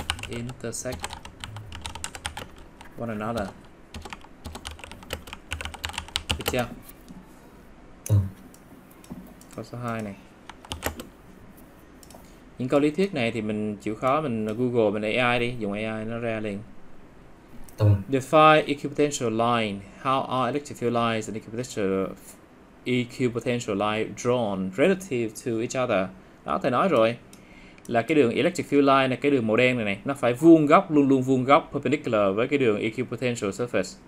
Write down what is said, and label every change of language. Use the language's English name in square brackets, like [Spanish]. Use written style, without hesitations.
[English] Intersect one another. [Vietnamese] Được chưa? Câu số 2 này. Những câu lý thuyết này thì mình chịu khó mình Google, mình AI đi, dùng AI nó ra liền. [English] Define equipotential line. How are electric field lines and equipotential line drawn relative to each other? [Vietnamese] Đó, thầy nói rồi. Là cái đường electric field line, là cái đường màu đen này này, nó phải vuông góc, luôn luôn vuông góc perpendicular với cái đường equipotential surface.